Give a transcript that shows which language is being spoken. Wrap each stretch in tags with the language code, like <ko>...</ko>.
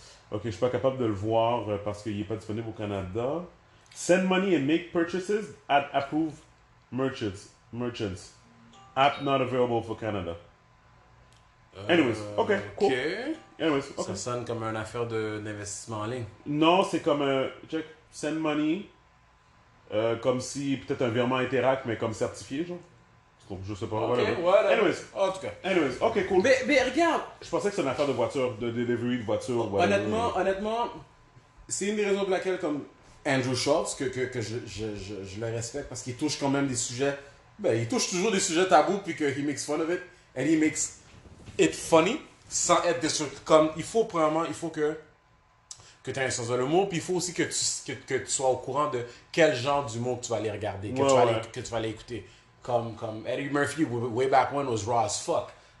<fr>OK, je suis pas capable de le voir parce qu'il est pas disponible au Canada.</fr> <en>Send money and make purchases at approved merchants. App not available for Canada. Anyways, OK.</en> <fr>Ça sonne comme une affaire d'investissement en ligne. Non, c'est comme... check, send money... comme si peut-être un virement Interac, mais comme certifié, genre. Donc, je sais pas.</fr> <en>Okay, voilà. Anyways, OK, cool.</en> <fr>Mais regarde. Je pensais que c'est une affaire de voiture, de delivery de voiture. Ouais. Honnêtement, c'est une des raisons pour laquelle, comme Andrew Schultz, que je le respecte, parce qu'il touche quand même des sujets. Ben, il touche toujours des sujets tabous, puis qu'il</fr> <en>makes fun of it. And he makes it funny,</en> <fr>sans être destructif. Comme, il faut que tu aies un sens de l'humour, puis il faut aussi que tu sois au courant de quel genre d'humour que tu vas aller regarder, que tu vas aller écouter.</fr> <en>Comme Eddie Murphy, way back when, was raw as fuck.</en>